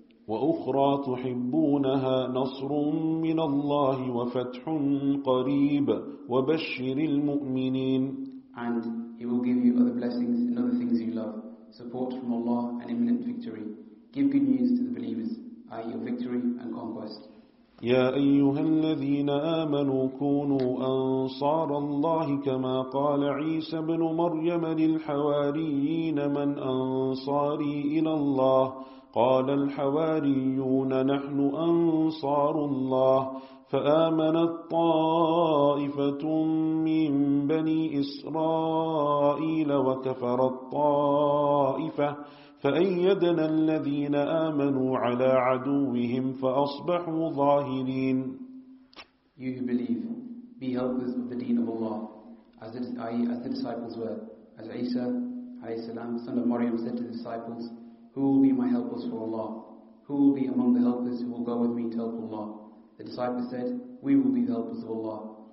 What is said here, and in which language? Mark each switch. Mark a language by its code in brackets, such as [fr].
[ar] وَأُخْرَى تُحِبُّونَهَا نَصْرٌ مِّنَ اللَّهِ وَفَتْحٌ قَرِيبٌ وَبَشِّرِ الْمُؤْمِنِينَ. [en] And He will give you other blessings and other things you love, support from Allah and imminent victory. Give good news to the believers, i.e. your victory and conquest. [ar] يا أيها الذين آمنوا كونوا أنصار الله كما قال عيسى بن مريم للحواريين من أنصاري إلى الله قال الحواريون نحن أنصار الله فآمنت طائفة من بني إسرائيل وكفر الطائفة فأيدنا الذين آمنوا على عدوهم فأصبحوا ظاهرين. [en] You who believe, be helpers of the deen of Allah, as the disciples were. As Isa, alayhi salam, son of Maryam, said to the disciples, Who will be my helpers for Allah? Who will be among the helpers who will go with me to help Allah? The disciples said, We will be the helpers of Allah.